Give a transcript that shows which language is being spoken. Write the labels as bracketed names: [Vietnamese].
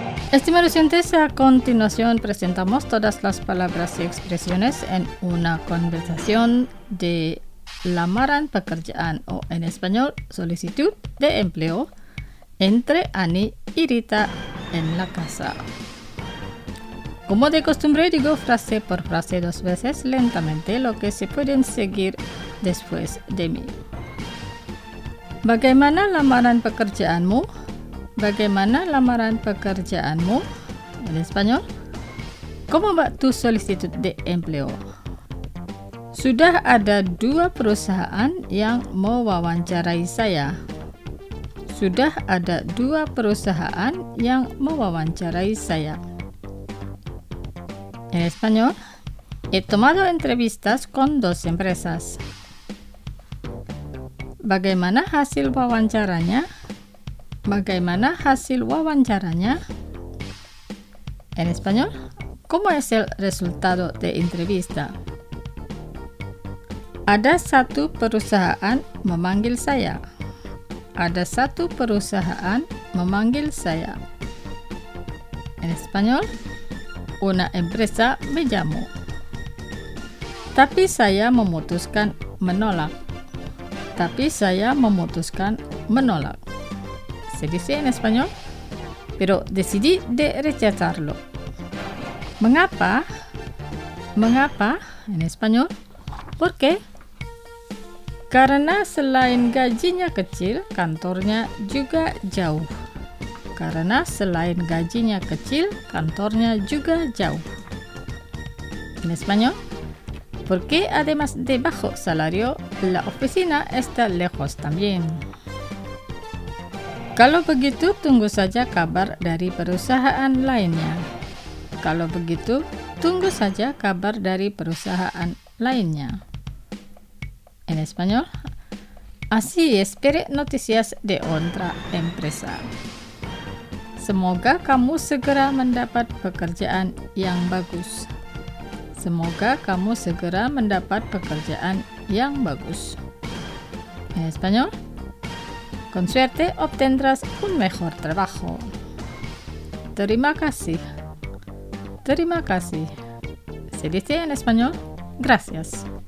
[Spanish] Estimados oyentes, a continuación presentamos todas las palabras y expresiones en una conversación de Lamaran Pekerjaan, o en español, solicitud de empleo, entre Ani y Rita en la casa. Como de costumbre, digo frase por frase dos veces lentamente lo que se pueden seguir después de mí. [Indonesian] ¿Bagaimana lamaran pekerjaanmu? Bagaimana lamaran pekerjaanmu? [Spanish] En español, ¿cómo va tu solicitud de empleo? [Indonesian] Sudah ada dua perusahaan yang mewawancarai saya. Sudah ada dua perusahaan yang mewawancarai saya. [Spanish] En español, he tomado entrevistas con dos empresas. [Indonesian] Bagaimana hasil wawancaranya? Bagaimana hasil wawancaranya? [Spanish] En español, ¿cómo es el resultado de entrevista? [Indonesian] Ada satu perusahaan memanggil saya. Ada satu perusahaan memanggil saya. [Spanish] En español, una empresa me llamó. [Indonesian] Tapi saya memutuskan menolak. Tapi saya memutuskan menolak. [Spanish] Se dice en español, pero decidí de rechazarlo. [Indonesian] Mengapa, mengapa, [Spanish] en español, ¿por qué? [Indonesian] Karena selain gajinya kecil, kantornya juga jauh. Karena selain gajinya kecil, kantornya juga jauh. [Spanish] En español, porque además de bajo salario, la oficina está lejos también. [Indonesian] Kalau begitu, tunggu saja kabar dari perusahaan lainnya. Kalau begitu, tunggu saja kabar dari perusahaan lainnya. [Spanish] en español. Así espere noticias de otra empresa. [Indonesian] Semoga kamu segera mendapat pekerjaan yang bagus. Semoga kamu segera mendapat pekerjaan yang bagus. [Spanish] En español. Con suerte obtendrás un mejor trabajo. [Indonesian] Terima kasih. Terima kasih. [Spanish] Se dice en español, gracias.